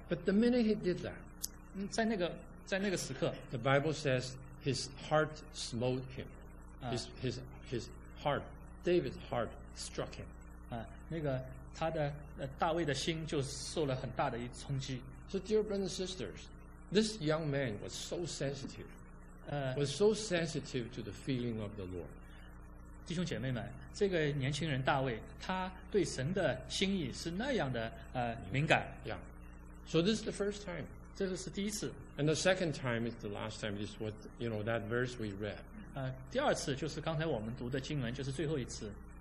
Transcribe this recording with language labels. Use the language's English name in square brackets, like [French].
[English] But the minute he did that, [Chinese] 在那个时刻 [English] ，the Bible says his heart smote him, his heart, David's heart struck him. [Chinese] 那个他的大卫的心就受了很大的一冲击。 [English] So dear brothers and sisters, this young man was so sensitive. Was so sensitive to the feeling of the Lord. [Chinese] 弟兄姐妹们，这个年轻人大卫，他对神的心意是那样的敏感。 [English] Yeah. So this is the first time. [Chinese] 这个是第一次。 [English] And the second time is the last time. This is what, you know, that verse we read. [Chinese] 第二次就是刚才我们读的经文，就是最后一次。